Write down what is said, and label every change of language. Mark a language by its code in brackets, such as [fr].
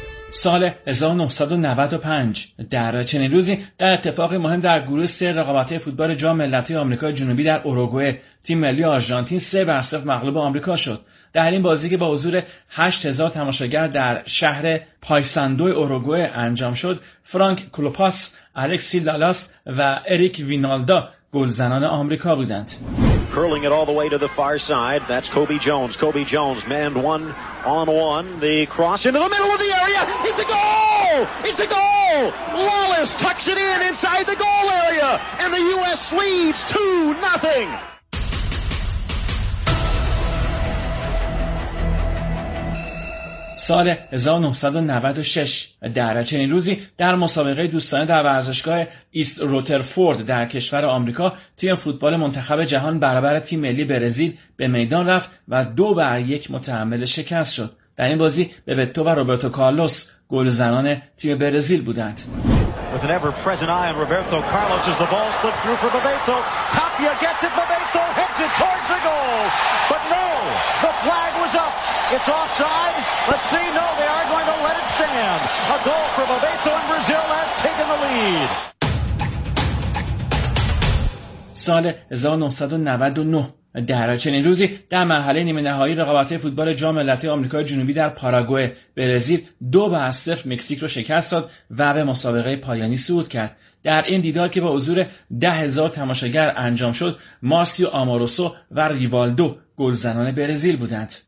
[fa] سال 1995 در چنین روزی در اتفاق مهم در گروه 3 رقابت‌های فوتبال جام ملت‌های آمریکای جنوبی در اوروگوئه تیم ملی آرژانتین 3-0 مغلوب آمریکا شد. در این بازی که با حضور 8000 تماشاگر در شهر پایساندو اوروگوئه انجام شد، فرانک کلوپاس، الکسی لالاس و اریک وینالدا گلزنان آمریکا بودند. [en] Curling it all the way to the far side. That's Kobe Jones. Kobe Jones, man one on one. The cross into the middle of the area. It's a goal! It's a goal! Lawless tucks it in inside the goal area. And the U.S. leads 2-0. [fa] سال سال 1996. در چنین روزی در مسابقه دوستانه در ورزشگاه ایست روترفورد در کشور آمریکا تیم فوتبال منتخب جهان برابر تیم ملی برزیل به میدان رفت و 2-1 متحمل شکست شد. در این بازی بیبتو و روبرتو کارلوس گل زنان تیم برزیل بودند. [en] With an ever-present eye on Roberto Carlos as the ball slips through for Bebeto. Tapia gets it, Bebeto heads it towards the goal. But no, the flag was up. It's offside. Let's see, no, they are going to let it stand. A goal for Bebeto and Brazil has taken the lead. [fa] سال 1999 در چنین روزی در مرحله نیمه نهایی رقابت فوتبال جام ملت‌های آمریکای جنوبی در پاراگوئه برزیل 2-0 مکزیک را شکست داد و به مسابقه پایانی صعود کرد. در این دیدار که با حضور 10,000 تماشاگر انجام شد، مارسیو آماروسو و ریوالدو گلزنان برزیل بودند.